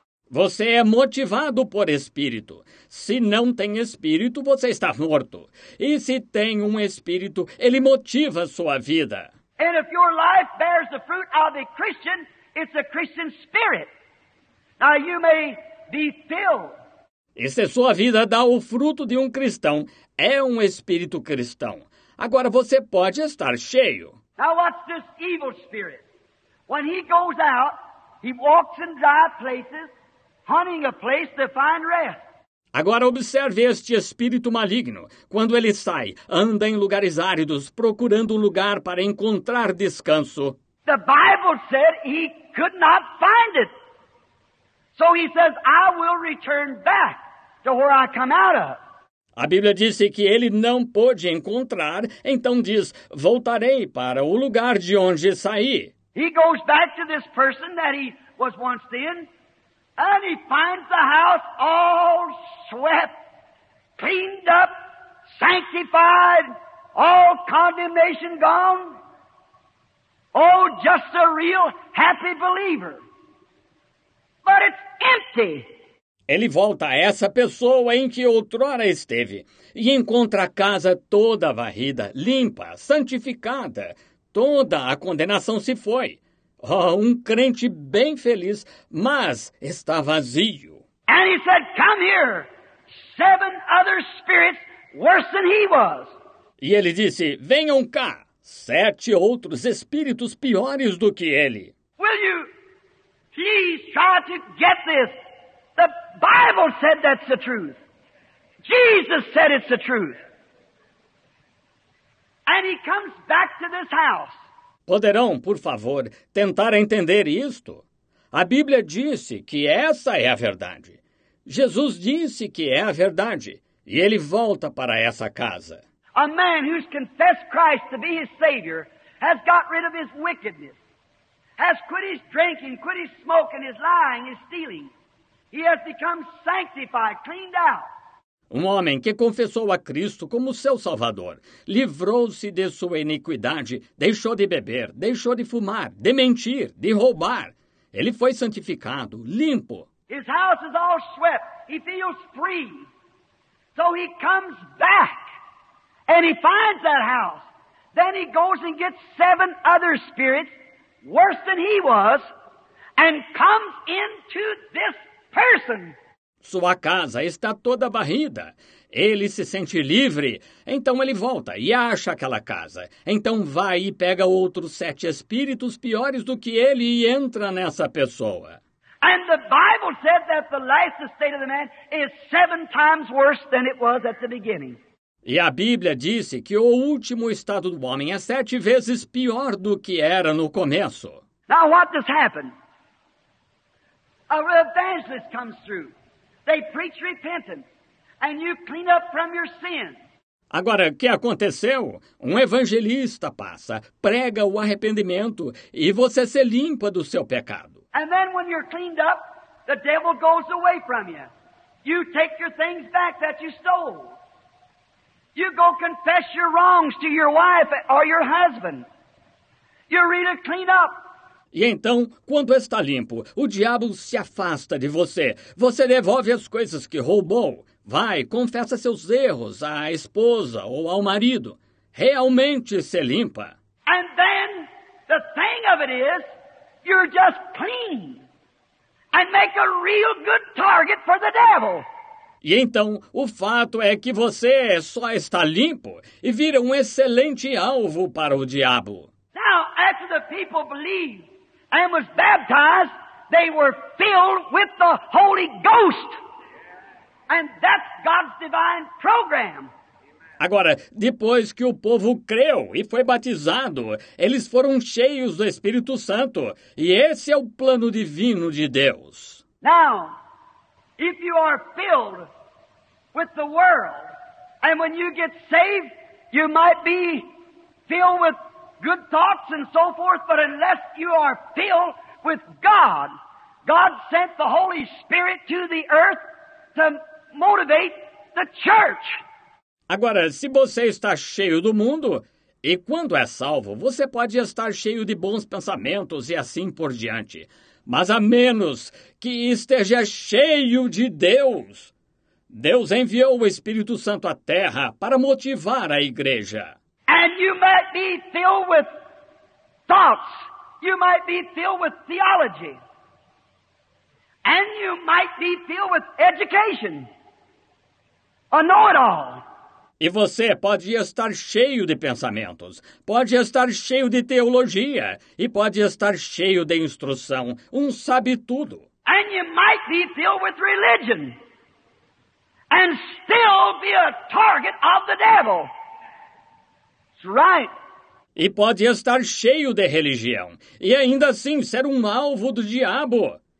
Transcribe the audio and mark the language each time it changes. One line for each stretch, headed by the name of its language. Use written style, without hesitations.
Portuguese: Você é motivado por espírito. Se não tem espírito, você está morto. E se tem um espírito, ele motiva sua vida.
English: And if your life bears the fruit of a Christian, it's a Christian spirit. Now you may be filled.
Portuguese: E se sua vida dá o fruto de um cristão, é um espírito cristão. Agora você pode estar cheio.
English: Now watch this evil spirit. When he goes out, he walks in dry places, hunting a place to find rest.
Portuguese: Agora observe este espírito maligno. Quando ele sai, anda em lugares áridos, procurando um lugar para encontrar descanso.
English: The Bible said he could not find it. So he says, I will return back to where I come out of.
Portuguese: A Bíblia disse que ele não pôde encontrar, então diz, voltarei para o lugar de onde saí.
English: He goes back to this person that he was once in. And he finds the house all swept, cleaned up, sanctified, all condemnation gone. Oh, just a real happy believer. But it's empty.
Portuguese: Ele volta a essa pessoa em que outrora esteve e encontra a casa toda varrida, limpa, santificada. Toda a condenação se foi. Oh, um crente bem feliz, mas está vazio.
English: And he said, come here. Seven other spirits worse than he was.
Portuguese: E ele disse, venham cá. Sete outros espíritos piores do que ele.
English: Will you please try to get this? The Bible said that's the truth. Jesus said it's the truth. And he comes back to this house.
Portuguese: Poderão, por favor, tentar entender isto? A Bíblia disse que essa é a verdade. Jesus disse que é a verdade, e ele volta para essa casa.
English: A man who's confessed Christ to be his Savior has got rid of his wickedness, has quit his drinking, quit his smoking, his lying, his stealing. He has become sanctified, cleaned out.
Portuguese: Um homem que confessou a Cristo como seu Salvador, livrou-se de sua iniquidade, deixou de beber, deixou de fumar, de mentir, de roubar. Ele foi santificado, limpo.
English: His house is all swept. He feels free. So he comes back and he finds that house. Then he goes and gets seven other spirits, worse than he was, and comes into this person.
Portuguese: Sua casa está toda varrida. Ele se sente livre. Então ele volta e acha aquela casa. Então vai e pega outros sete espíritos piores do que ele e entra nessa pessoa.
English: And the Bible said that the last state of the man is seven times worse than it was at the beginning.
Portuguese: E a Bíblia disse que o último estado do homem é sete vezes pior do que era no começo.
English: Now what does happen? A evangelist comes through. They preach repentance, and you clean up from your sin.
Portuguese: Agora, o que aconteceu? Um evangelista passa, prega o arrependimento, e você se limpa do seu pecado.
English: And then when you're cleaned up, the devil goes away from you. You take your things back that you stole. You go confess your wrongs to your wife or your husband. You're really cleaned up.
Portuguese: E então, quando está limpo, o diabo se afasta de você. Você devolve as coisas que roubou. Vai, confessa seus erros à esposa ou ao marido. Realmente se limpa.
English: And then, the thing of it is, you're just clean. And make a real good target for the devil.
Portuguese: E então, o fato é que você só está limpo e vira um excelente alvo para o diabo.
English: Now, after the people believed and was baptized, they were filled with the Holy Ghost. And that's God's divine program.
Portuguese: Agora, depois que o povo creu e foi batizado, eles foram cheios do Espírito Santo. E esse é o plano divino de Deus.
English: Now, if you are filled with the world, and when you get saved, you might be filled with good thoughts and so forth, but unless you are filled with God, God sent the Holy Spirit to the earth to motivate the church.
Portuguese: Agora, se você está cheio do mundo, e quando é salvo, você pode estar cheio de bons pensamentos e assim por diante. Mas a menos que esteja cheio de Deus, Deus enviou o Espírito Santo à Terra para motivar a igreja.
English: And you might be filled with thoughts. You might be filled with theology. And you might be filled with education. A know-it-all.
Portuguese: E você pode estar cheio de pensamentos, pode estar cheio de teologia e pode estar cheio de instrução, um sabe-tudo.
English: And you might be filled with religion and still be a target of the devil. That's right.
Portuguese: E pode estar cheio de religião e ainda assim ser um alvo do diabo.